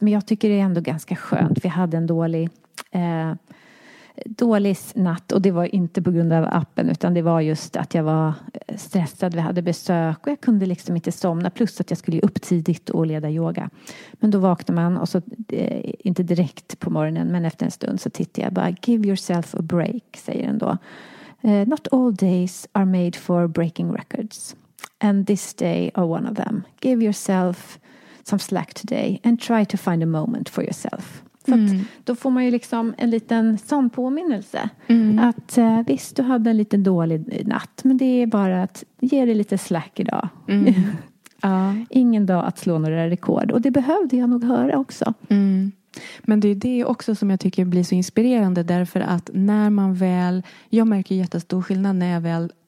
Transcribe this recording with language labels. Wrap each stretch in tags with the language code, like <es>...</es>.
<sv>Men jag tycker det är ändå ganska skönt. Vi hade en dålig natt, och det var inte på grund av appen, utan det var just att jag var stressad. Vi hade besök och jag kunde liksom inte somna, plus att jag skulle upp tidigt och leda yoga. Men då vaknade man, och så inte direkt på morgonen, men efter en stund så tittade jag bara,</sv> <en>give yourself a break,</en> <sv>säger den då.</sv> <en>Not all days are made for breaking records, and this day are one of them. Give yourself some slack today and try to find a moment for yourself.</en> <sv>Så då får man ju liksom en liten sån påminnelse. Mm. Att visst, du hade en liten dålig natt. Men det är bara att ge dig lite slack idag. Mm. Ja. Ingen dag att slå några rekord. Och det behövde jag nog höra också. Mm. Men det är det också som jag tycker blir så inspirerande. Därför att när man väl... Jag märker jättestor skillnad när jag väl</sv>